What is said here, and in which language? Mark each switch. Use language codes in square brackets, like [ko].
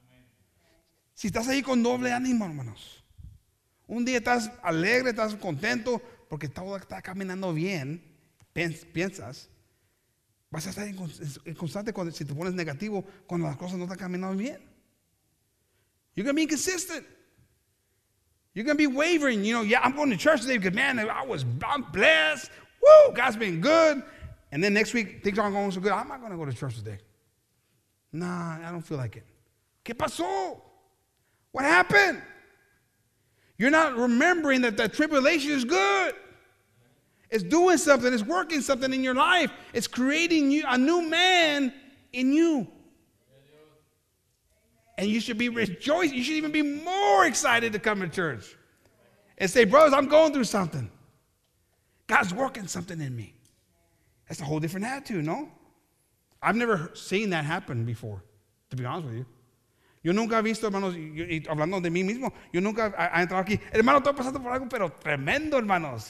[es] Amen. Si estás ahí con doble ánimo, hermanos, un día estás alegre, estás contento porque todo está caminando bien, piensas, vas a estar inconstante cuando, si te pones negativo cuando las cosas no están caminando bien. [en] You're going to be inconsistent. You're going to be wavering. You know, yeah, I'm going to church today because, man, I'm blessed. Woo, God's been good. And then next week, things aren't going so good. I'm not going to go to church today. Nah, I don't feel like it. [es] ¿Qué pasó? [en] What happened? You're not remembering that the tribulation is good. It's doing something. It's working something in your life. It's creating you a new man in you. And you should be rejoicing. You should even be more excited to come to church and say, brothers, I'm going through something. God's working something in me. That's a whole different attitude, no? I've never seen that happen before, to be honest with you. [es] Yo nunca he visto, hermanos, hablando de mí mismo, yo nunca he entrado aquí. Hermano, estoy pasando por algo, pero tremendo, hermanos.